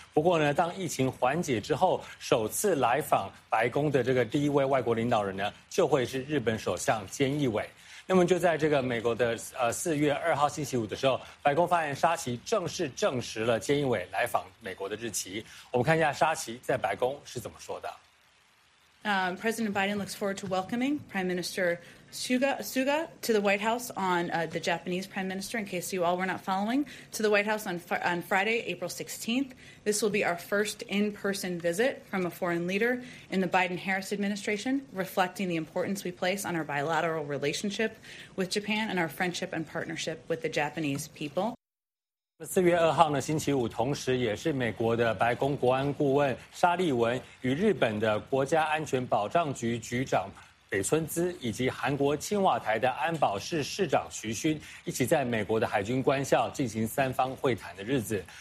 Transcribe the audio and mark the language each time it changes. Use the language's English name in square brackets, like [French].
[Chinese] 不过呢，当疫情缓解之后，首次来访白宫的这个第一位外国领导人呢，就会是日本首相菅义伟。那么就在这个美国的4月2号星期五的时候，白宫发言沙奇正式证实了菅义伟来访美国的日期。我们看一下沙奇在白宫是怎么说的。 [English] President Biden looks forward to welcoming Prime Minister Suga to the White House on the Japanese Prime Minister, in case you all were not following, to the White House on Friday, April 16th. This will be our first in-person visit from a foreign leader in the Biden-Harris administration, reflecting the importance we place on our bilateral relationship with Japan and our friendship and partnership with the Japanese people. [Chinese] 4月2号呢，星期五，同时也是美国的白宫国安顾问沙利文与日本的国家安全保障局局长北村滋以及韩国青瓦台的安保室市长徐勋一起在美国的海军官校进行三方会谈的日子。